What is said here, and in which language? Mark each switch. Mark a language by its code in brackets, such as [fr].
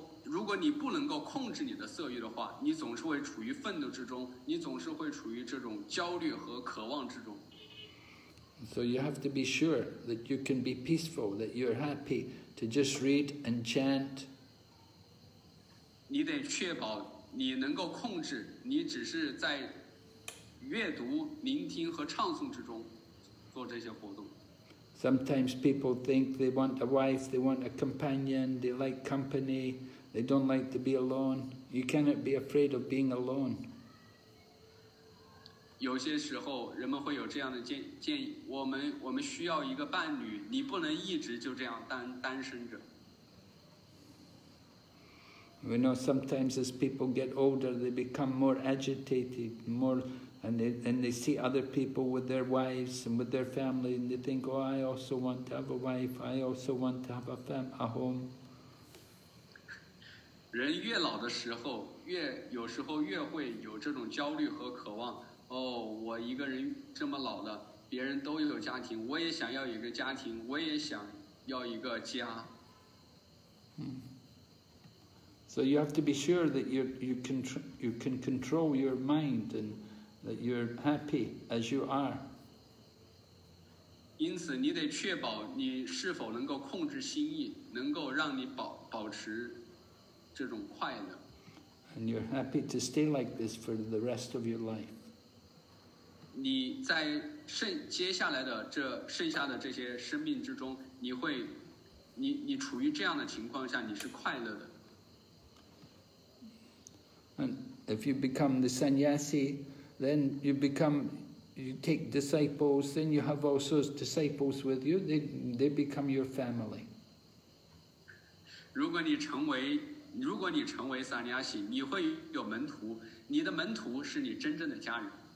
[zh] 如果你不能够控制你的色欲的话，你总是会处于愤怒之中，你总是会处于这种焦虑和渴望之中。 [en] So you have to be sure that you can be peaceful, that you're happy to just read and chant. [zh] 你得确保你能够控制，你只是在阅读、聆听和唱诵之中做这些活动。 [en] Sometimes people think they want a wife, they want a companion, they like company, they don't like to be alone. You cannot be afraid of being alone. [zh] 有些时候人们会有这样的建议，我们需要一个伴侣，你不能一直就这样单身着。 [en] We know sometimes as people get older, they become more agitated, and they see other people with their wives and with their family, and they think, oh, I also want to have a wife, I also want to have a home. [zh] 人越老的时候，有时候越会有这种焦虑和渴望。哦，我一个人这么老了，别人都有家庭，我也想要一个家庭，我也想要一个家。 [en] So you have to be sure that you can control your mind and that you're happy as you are. [zh] 因此，你得确保你是否能够控制心意，能够让你保持这种快乐。 [en] And you're happy to stay like this for the rest of your life. [zh] 你在接下来的这剩下的这些生命之中，你处于这样的情况下，你是快乐的。 [en] And if you become the sannyasi, then you take disciples, then you have also disciples with you. They become your family. [zh] 如果你成为 sannyasi, 你会有门徒，你的门徒是你真正的家人。